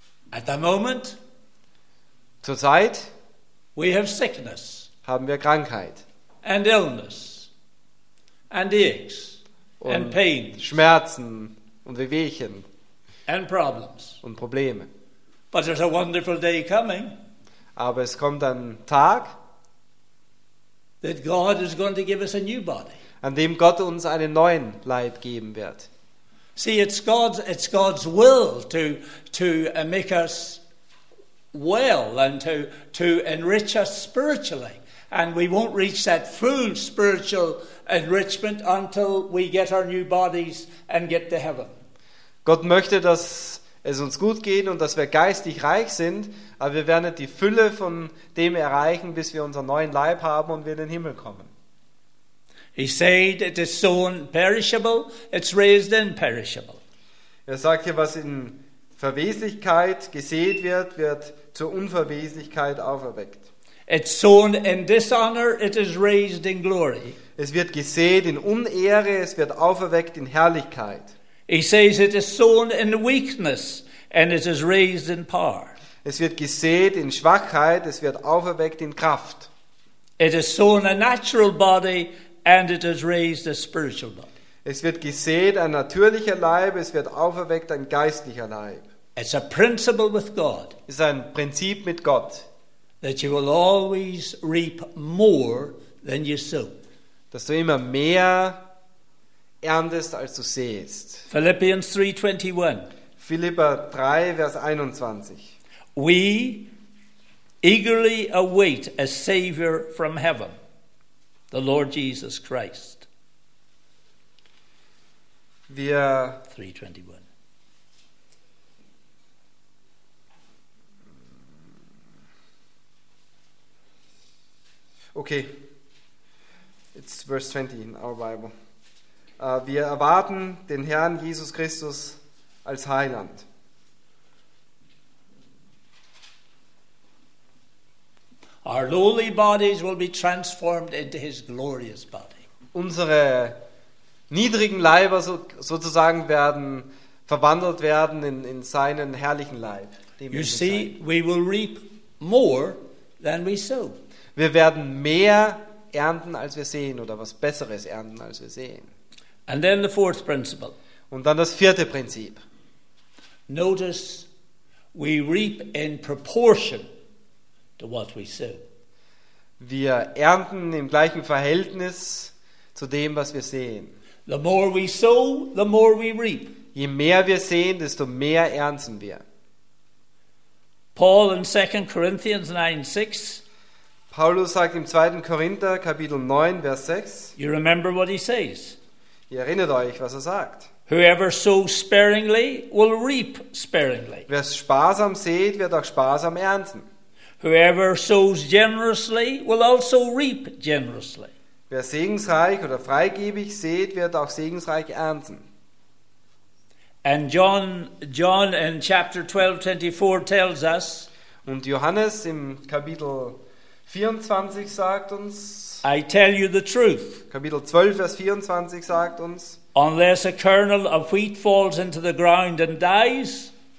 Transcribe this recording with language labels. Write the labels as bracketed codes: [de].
[en] At the moment, [de] zur Zeit, [en] we have sickness, [de] haben wir Krankheit, [en] and illness, and aches. [de] Und Schmerzen und Wehwehchen [en] and problems. [de] Und Probleme. [en] But there's a wonderful day coming. [de] Aber es kommt ein Tag, [en] that God is going to give us a new body. [de] An dem Gott uns einen neuen Leib geben wird. [en] See, it's God's will to make us well and to enrich us spiritually. And we won't reach that full spiritual enrichment until we get our new bodies and get to heaven. [de] Gott möchte, dass es uns gut geht und dass wir geistig reich sind, aber wir werden nicht die Fülle von dem erreichen, bis wir unseren neuen Leib haben und wir in den Himmel kommen. [en] He said, it is sown perishable, it's raised imperishable. [de] Er sagte, was in Verweslichkeit gesät wird, wird zur Unverweslichkeit auferweckt. [en] It's sown in dishonor, it is raised in glory. [de] Es wird gesät in Unehre, es wird auferweckt in Herrlichkeit. [en] He says it is sown in weakness and it is raised in power. [de] Es wird gesät in Schwachheit, es wird auferweckt in Kraft. [en] It is sown a natural body and it is raised a spiritual body. [de] Es wird gesät ein natürlicher Leib, es wird auferweckt ein geistlicher Leib. [en] It's a principle with God. [de] Es ist ein Prinzip mit Gott. [en] That you will always reap more than you sow. [de] Dass du immer mehr erntest, als du sähst. [en] Philippians 3:21. [de] Philipper 3, Vers 21. [en] We eagerly await a Savior from heaven, the Lord Jesus Christ. [de] Wir [en] 3:21. Okay, it's verse 20 in our Bible. [de] Wir erwarten den Herrn Jesus Christus als Heiland. [en] Our lowly bodies will be transformed into his glorious body. [de] Unsere niedrigen Leiber sozusagen werden verwandelt werden in seinen herrlichen Leib. [en] You see, we will reap more than we sow. [de] Wir werden mehr ernten, als wir sehen, oder was Besseres ernten, als wir sehen. [en] And then the fourth principle. [de] Und dann das vierte Prinzip. [en] Notice, we reap in proportion to what we sow. [de] Wir ernten im gleichen Verhältnis zu dem, was wir sehen. [en] The more we sow, the more we reap. [de] Je mehr wir sehen, desto mehr ernten wir. [en] Paul in 2 Corinthians 9:6. [de] Paulus sagt im 2. Korinther, Kapitel 9, Vers 6, [en] you remember what he says. [de] Ihr erinnert euch, was er sagt. [en] Whoever sows sparingly will reap sparingly. [de] Wer sparsam sät, wird auch sparsam ernten. [en] Whoever sows generously will also reap generously. [de] Wer segensreich oder freigebig sät, wird auch segensreich ernten. [en] And John in chapter 12:24 tells us. [de] Und Johannes im Kapitel 24 sagt uns. [en] I tell you the truth. [de] Kapitel 12, Vers 24 sagt uns. [en] Unless a kernel of wheat falls into the ground and dies.